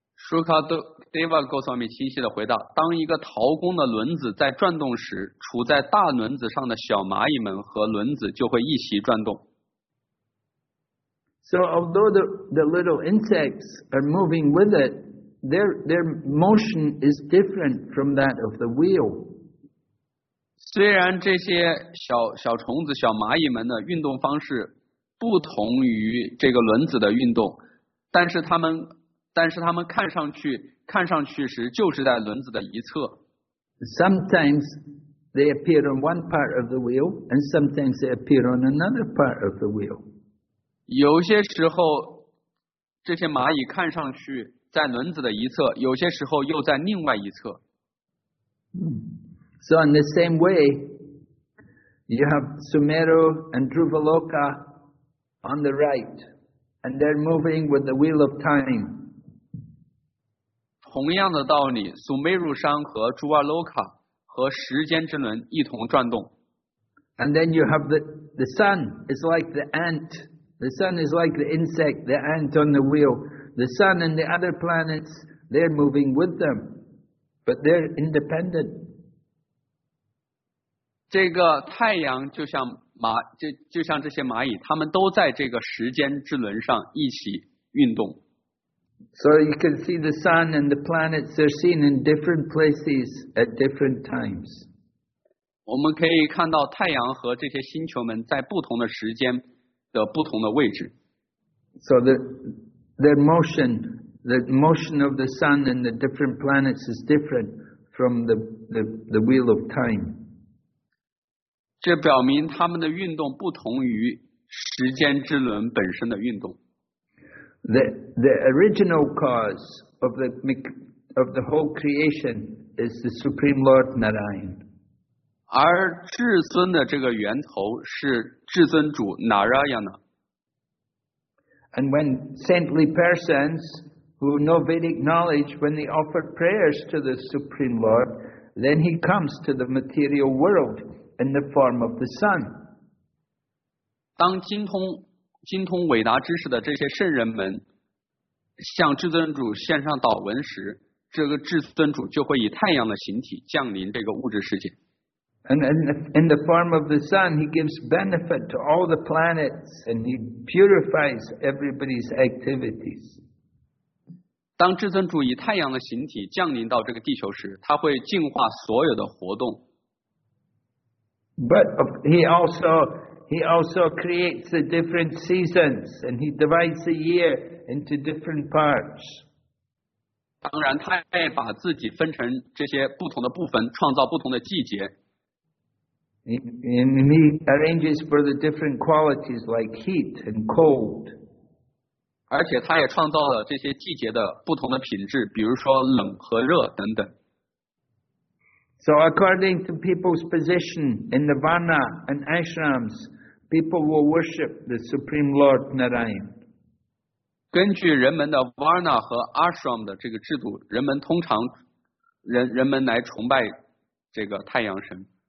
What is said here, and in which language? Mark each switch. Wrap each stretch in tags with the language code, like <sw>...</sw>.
<zh>Sukadeva Goswami 清晰地回答：当一个陶工的轮子在转动时，处在大轮子上的小蚂蚁们和轮子就会一起转动。</zh> <en>So although the little insects are moving with it, their motion is different from that of the wheel.</en> <zh>虽然这些小虫子、小蚂蚁们的运动方式。不同于这个轮子的运动，但是他们看上去时就是在轮子的一侧。</zh> <en>Sometimes they appear on one part of the wheel, and sometimes they appear on another part of the wheel.</en> <zh>有些时候，这些蚂蚁看上去在轮子的一侧，有些时候又在另外一侧。</zh> <en>So in the same way, you have Sumeru and Dhruvaloka. On the right, and they're moving with the wheel of time.</en> <zh>同样的道理，苏梅如山和朱瓦洛卡和时间之轮一同转动。</zh> <en>And then you have the sun is like the ant. The sun is like the insect, the ant on the wheel. The sun and the other planets, they're moving with them, but they're independent.</en> <zh>这个太阳就像。就像这些蚂蚁，他们都在这个时间之轮上一起运动。</zh> <en>So you can see the sun and the planets are seen in different places at different times.</en> <zh>我们可以看到太阳和这些星球们在不同的时间的不同的位置。</zh> <en>So the motion of the sun and the different planets is different from the wheel of time.</en> <zh>这表明他们的运动不同于时间之轮本身的运动。</zh> <en>The original cause of the whole creation is the Supreme Lord Narayan.</en> <zh>而至尊的这个源头是至尊主 Narayana.</zh> <en>And when saintly persons who know Vedic knowledge, when they offer prayers to the Supreme Lord, then he comes to the material world. In the form of the sun.</en> <zh>当精通伟达知识的这些圣人们向至尊主献上祷文时，这个至尊主就会以太阳的形体降临这个物质世界。</zh> <en>And in the form of the sun, he gives benefit to all the planets, and he purifies everybody's activities.</en> <zh>当至尊主以太阳的形体降临到这个地球时，他会净化所有的活动。</zh> <en>But he also creates the different seasons, and he divides the year into different parts.</en> <zh>当然，他也把自己分成这些不同的部分，创造不同的季节。</zh> <en>And he arranges for the different qualities like heat and cold.</en> <zh>而且它也创造了这些季节的不同的品质，比如说冷和热等等。</zh> <en>So according to people's position in nirvana and ashrams, people will worship the Supreme Lord Narayan.</en> <zh>根据人们的 varna 和 ashram 的这个制度，人们通常人们来崇拜这个太阳神。</zh>